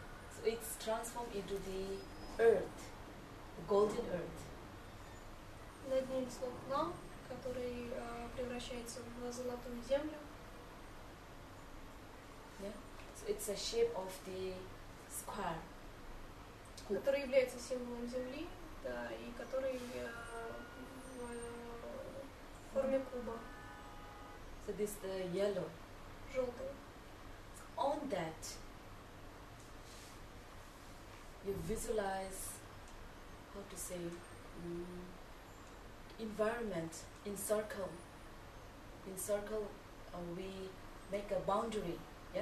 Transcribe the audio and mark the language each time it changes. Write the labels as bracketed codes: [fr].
[en] So it's transformed into the earth, the golden earth. [ru] Над ним слог лам, который превращается в золотую землю. [en] Yeah. So it's a shape of the square. [ru] Который является символом земли, да, и который в форме куба. [en] So this is the yellow. [ru] Желтый. [en] So on that you visualize, how to say, environment in circle. In circle we make a boundary. Yeah?